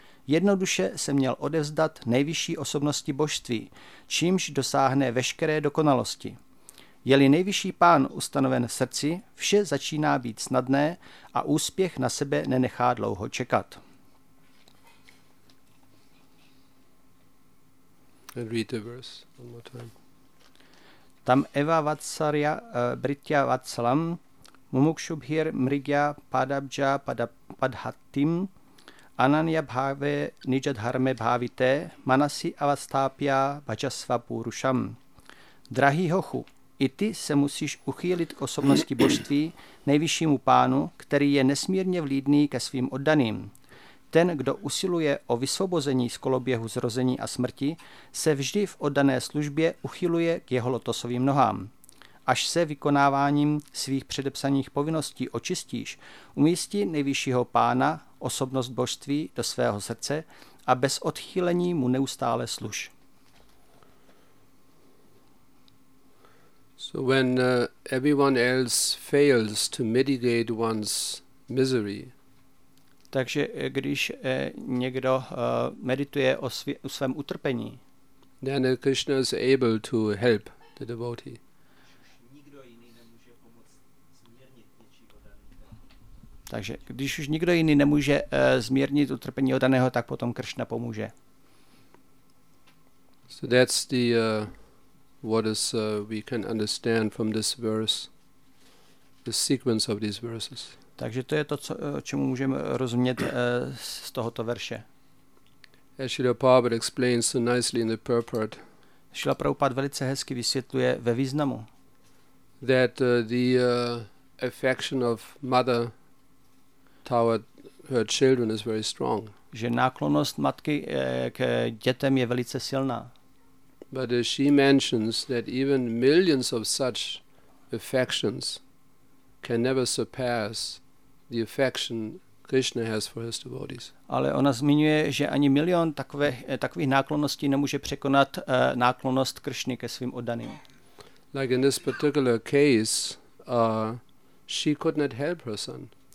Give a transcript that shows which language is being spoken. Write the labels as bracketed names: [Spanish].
[Czech] Jednoduše se měl odevzdat nejvyšší osobnosti božství, čímž dosáhne veškeré dokonalosti. Je-li nejvyšší pán ustanoven v srdci, vše začíná být snadné a úspěch na sebe nenechá dlouho čekat. [English] And read the verse one more time. [Sanskrit] Tam Eva Vatsarya Britya Vatsalam Mumukshubhir Mrigya Padabja Padhatim Ananya Bhave Nijadharme Bhavite Manasi Avastapya Bhajasva Purusham. [Czech] Drahý hochu, i ty se musíš uchýlit k osobnosti božství nejvyššímu pánu, který je nesmírně vlídný ke svým oddaným. Ten, kdo usiluje o vysvobození z koloběhu zrození a smrti, se vždy v oddané službě uchyluje k jeho lotosovým nohám. Až se vykonáváním svých předepsaných povinností očistíš, umístí nejvyššího pána, osobnost božství, do svého srdce a bez odchýlení mu neustále služ. [English] So when everyone else fails to mitigate one's misery, [Czech] takže když někdo medituje o svém utrpení, [English] then Krishna is able to help. the devotee. [Czech] Takže když už nikdo jiný nemůže zmírnit utrpení odaného, tak potom Kršna pomůže. [English] So that's the what is we can understand from this verse, the sequence of these verses. [Czech] Takže to je to, co, čemu můžeme rozumět z tohoto verše. [English] Srila Prabhupada explains so nicely in the purport. [Czech] Srila Prabhupada velice hezky vysvětluje ve významu. [English] That the affection of mother toward her children is very strong. [Czech] Že náklonnost matky k dětem je velice silná. [English] But she mentions that even millions of such affections can never surpass the affection Krishna has for his devotees. [Czech] Ale ona zmiňuje, že ani milion takových nákloností nemůže překonat náklonnost Kršny ke svým oddaným. [English] Like in this particular case, she could not help her son.